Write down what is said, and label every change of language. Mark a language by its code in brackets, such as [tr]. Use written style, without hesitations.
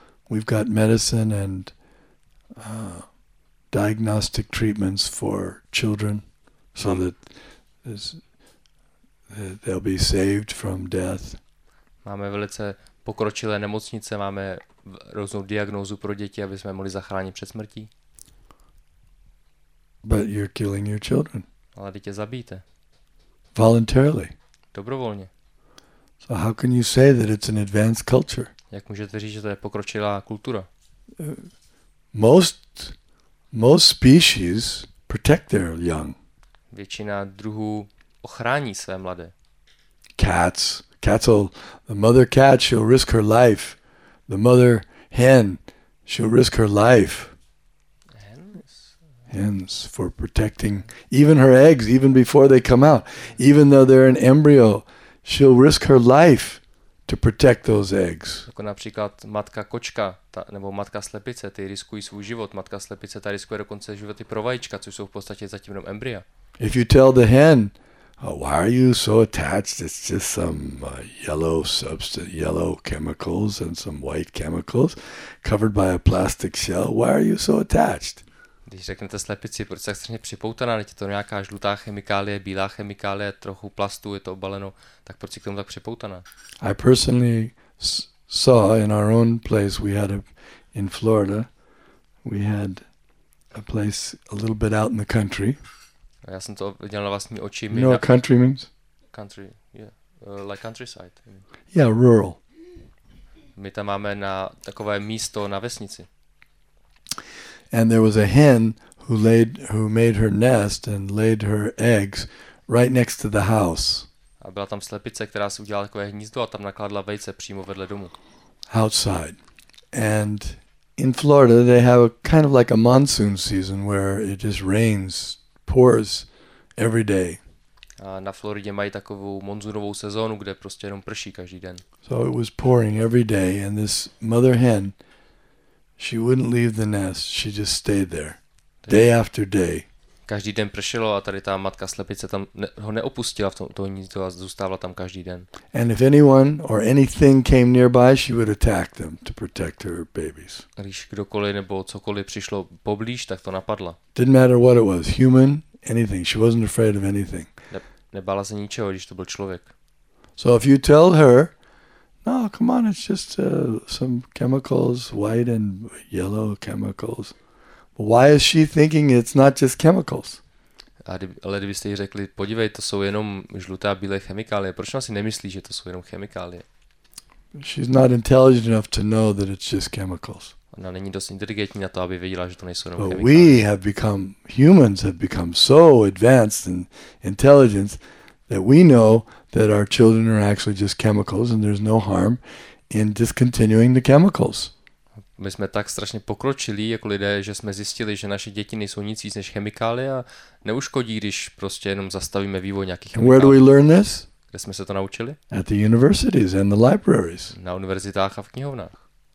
[en] We've got medicine and diagnostic treatments for children so that they'll be saved from death. [cs] Máme velice pokročilé nemocnice, máme různou diagnózu pro děti, aby jsme mohli zachránit před smrtí. [en] But you're killing your children. [cs] Ale vy tě zabijete. [en] Voluntarily. [cs] Dobrovolně. [en] So how can you say that it's an advanced culture? [cs] Jak můžete říct, že to je pokročilá kultura? [en] Most species protect their young. [cs] Většina druhů ochrání své mladé. [en] Cats will, the mother cat, she'll risk her life. The mother hen, she'll risk her life. Hens for protecting even her eggs, even before they come out. Even though they're an embryo, she'll risk her life to protect those eggs. [cs] Jako například matka kočka, nebo matka slepice, ty riskují svůj život. Matka slepice, ta riskuje dokonce životy pro vajíčka, což jsou v podstatě zatím jenom embrya. [en] If you tell the hen, oh, why are you so attached? It's just some yellow substance, yellow chemicals and some white chemicals covered by a plastic shell. Why are you so attached? [cs] Když řeknete slepici, proč jste strašně připoutaná, je to nějaká žlutá chemikálie, bílá chemikálie, trochu plastu, je to obaleno, tak proč si k tomu tak připoutaná? [en] I personally saw in our own place we had in Florida, we had a place a little bit out in the country. [cs] Já jsem to viděl na vlastní oči. [en] You know what country means? Country, yeah. Like countryside. Yeah, rural. [cs] My tam máme na takové místo na vesnici. [en] And there was a hen who made her nest and laid her eggs right next to the house. [cs] A byla tam slepice, která si udělala takové hnízdo a tam nakládla vejce přímo vedle domu. [en] Outside. And in Florida they have a kind of like a monsoon season where it just rains, pours every day. [cs] A na Floridě mají takovou monzunovou sezónu, kde prostě jenom prší každý den. [en] So it was pouring every day and this mother hen, she wouldn't leave the nest. She just stayed there, day after day. [cs] Každý den pršelo a tady ta matka slepice tam ho neopustila v tom hnízdu a zůstávala tam každý den. [en] And if anyone or anything came nearby, she would attack them to protect her babies. [cs] Když kdokoliv nebo cokoliv přišlo poblíž, tak to napadla. [en] Didn't matter what it was, human, anything. She wasn't afraid of anything. [cs] Nebála se ničeho, když to byl člověk. [en] So if you tell her, no, come on, it's just some chemicals, white and yellow chemicals. Why is she thinking it's not just chemicals? [cs] Ale kdybyste jí řekli, podívej, to jsou jenom žluté a bílé chemikálie. Proč ona si nemyslí, že to jsou jenom chemikálie? [en] She's not intelligent enough to know that it's just chemicals. [cs] Ona není dost inteligentní na to, aby věděla, že to nejsou jenom [en] but [cs] chemikálie. [en] We have become, humans have become so advanced in intelligence that we know that our children are actually just chemicals and there's no harm in discontinuing the chemicals. [cs] My jsme tak strašně pokročili jako lidé, že jsme zjistili, že naše děti nejsou nic víc než chemikálie a neuškodí, když prostě jenom zastavíme vývoj nějakých chemikálií. [en] Where do we learn this? [cs] Kde jsme se to naučili? [en] At the universities and the libraries. [cs] Na univerzitách a v knihovnách.